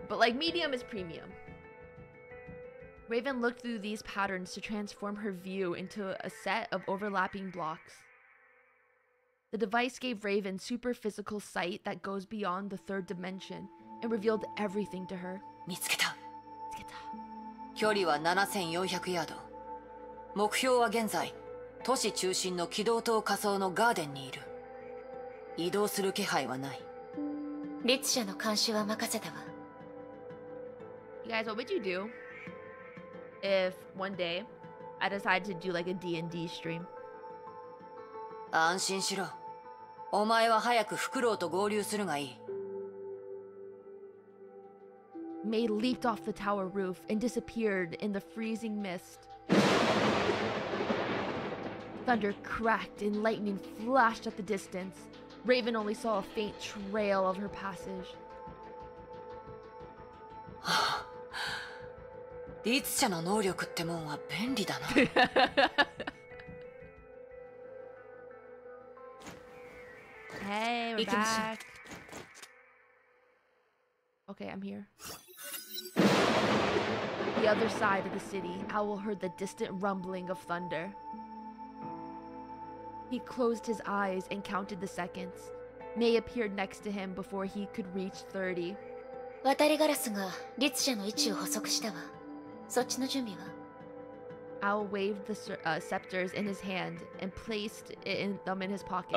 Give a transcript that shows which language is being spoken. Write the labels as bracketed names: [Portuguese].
[English] But, like, medium is premium. Raven looked through these patterns to transform her view into a set of overlapping blocks. The device gave Raven super physical sight that goes beyond the third dimension and revealed everything to her. [Japanese] Mitsuketa. けた。距離は7400ヤード。目標は現在都市中心の機動塔下層のガーデンにいる。移動する気配はない。リッツ社の監視は任せたわ。 [English] You guys, what would you do if one day I decide to do like a D&D stream? [Japanese] 安心しろ。お前は早くフクロウと合流するがいい。 [English] MEI leaped off the tower roof and disappeared in the freezing mist. Thunder cracked and lightning flashed at the distance. Raven only saw a faint trail of her passage. [Japanese] リッツ社の能力ってもんは便利だな。 [English] Hey, we're back. Okay, I'm here. The other side of the city, Owl heard the distant rumbling of thunder. He closed his eyes and counted the seconds. MEI appeared next to him before he could reach 30. [Japanese] 渡りガラスがリッツ社の位置を捕捉したわ。そっちの準備は？ [English] Owl waved the scepters in his hand and placed them in his pocket.